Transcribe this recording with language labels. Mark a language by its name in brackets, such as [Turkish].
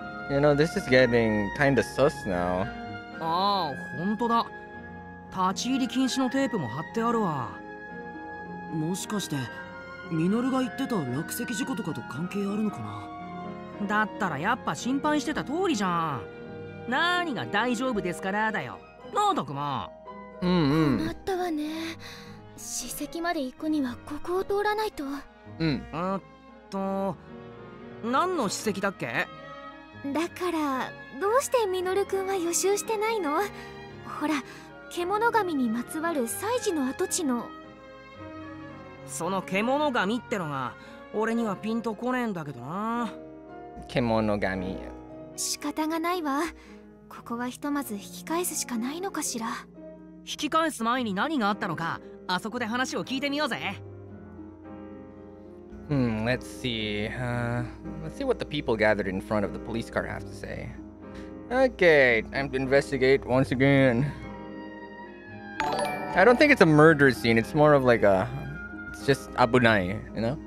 [English] You know, this is getting kind of sus now. [Japanese] ああ、本当だ。立ち入り禁止のテープも貼ってあるわ。もしかしてミノルが言ってた落石事故とかと関係あるのかな?だったらやっぱ心配してた通りじゃん。何が大丈夫ですからだよ。ノート君。うんうん。困ったわね。史跡まで行くにはここを通らないと。うん。あっと。何の史跡だっけ？だからどうしてミノル君は予習してないの？ほら、獣神にまつわる祭事の跡地の。その獣神ってのが俺にはピンとこねえんだけどな。獣神。仕方がないわ。ここはひとまず引き返すしかないのかしら。引き返す前に何があったのか、あそこで話を聞いてみようぜ。 [English] Let's see what the people gathered in front of the police car have to say. Okay, time to investigate once again. I don't think it's a murder scene, it's more of like a... It's just abunai, you know?